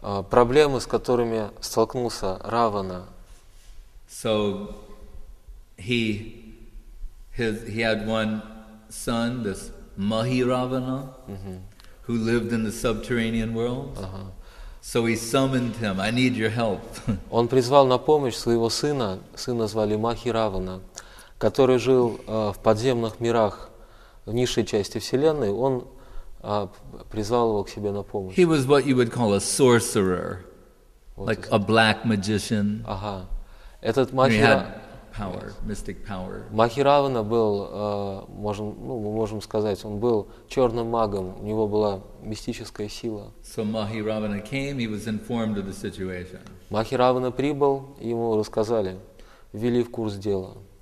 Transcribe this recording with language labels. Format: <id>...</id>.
<ru>Проблемы, с которыми столкнулся Равана.</ru> <en>So he had one son, this Mahiravana, who lived in the subterranean world. So he summoned him. I need your help.</en> <ru>Он призвал на помощь своего сына. Сына звали Махиравана, который жил в подземных мирах, в низшей части вселенной. Он призвал его к себе на помощь.</ru> <en>He was what you would call a sorcerer, like a black magician.</en> <ru>Этот Махиравана был, мы можем сказать, он был черным магом, у него была мистическая сила. Махиравана прибыл, ему рассказали, ввели в курс дела.</ru>